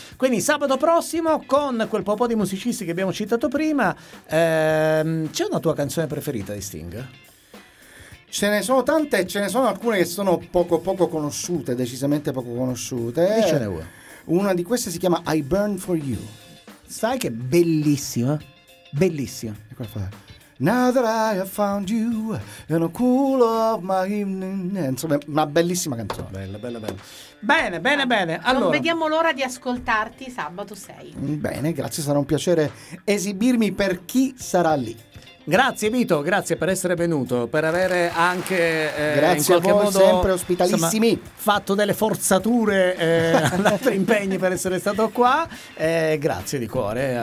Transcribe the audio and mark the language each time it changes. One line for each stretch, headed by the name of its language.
Italian: Quindi sabato prossimo, con quel popò di musicisti che abbiamo citato prima, c'è una tua canzone preferita di Sting? Ce ne sono tante, ce ne sono alcune che sono poco conosciute, decisamente poco conosciute. Dicene una. Una di queste si chiama I Burn For You. Sai che è bellissima? Bellissima. E qua fa:
English: now that I have found you in a cool of my evening.
Italian: Insomma, una bellissima canzone. Bella, bella, bella. Bene, bene, bene. Allora, non vediamo l'ora di ascoltarti sabato 6. Bene, grazie, sarà un piacere esibirmi per chi sarà lì. Grazie Vito, grazie per essere venuto, per avere anche grazie in qualche a voi modo, sempre ospitalissimi, insomma, fatto delle forzature, altri impegni per essere stato qua, grazie di cuore.